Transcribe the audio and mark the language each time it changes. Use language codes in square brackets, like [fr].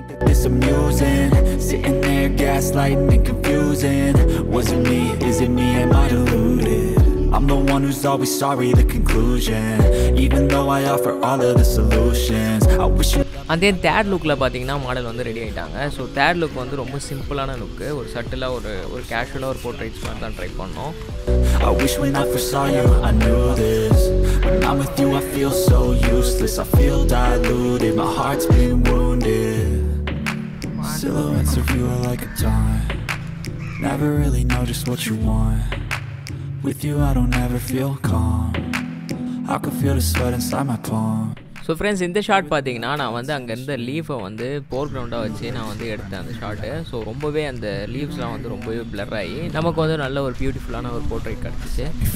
[en] It's amusing, sitting there gaslighting and confusing. Was it me, is it me, am I deluded? I'm the one who's always sorry, the conclusion. Even though I offer all of the solutions, I wish you. [ta] அந்த third லுக்கில் பார்த்தீங்கன்னா model வந்து ready ஆகிட்டாங்க. So third look வந்து ரொம்ப சிம்பிளான லுக்கு, ஒரு சட்டிலாக ஒரு ஒரு கேஷுவலாக ஒரு போர்ட்ரேட்ஸ் மாதிரி தான் ட்ரை பண்ணோம். [en] I wish when I first saw you I knew this. When I'm with you I feel so useless. I feel diluted, my heart's been wounded. Silhouettes of you are like a taunt. Never really know just what you want. With you I don't ever feel calm. I can feel the sweat inside my palm. [ta] So friends, இந்த shot பார்த்தீங்கன்னா நான் வந்து அங்கேருந்து லீஃபை வந்து four கிரவுண்டாக வச்சு நான் வந்து எடுத்தேன் அந்த ஷாட்டு. ஸோ ரொம்பவே அந்த லீவ்ஸ்லாம் வந்து ரொம்பவே பிளர் ஆகி நமக்கு வந்து நல்ல ஒரு பியூட்டிஃபுல்லான ஒரு போர்ட்ரேட் கிடச்சிச்சு.